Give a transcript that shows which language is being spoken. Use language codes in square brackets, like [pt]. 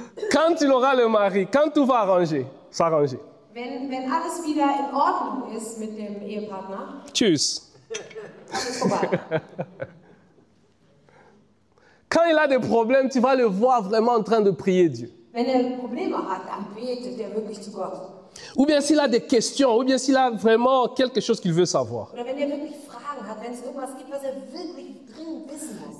[fr] Quand il aura le mari, quand tout va s'arranger, [de] wenn alles wieder in Ordnung ist mit dem Ehepartner, tschüss. [fr] Quand il a des problèmes, tu vas le voir vraiment en train de prier Dieu. [de] Wenn er Probleme hat, dann betet er wirklich zu Gott. [fr] Ou bien s'il a des questions, ou bien s'il a vraiment quelque chose qu'il veut savoir. [de] Oder wenn er wirklich Fragen hat, wenn es irgendwas gibt, was er wirklich dringend wissen muss.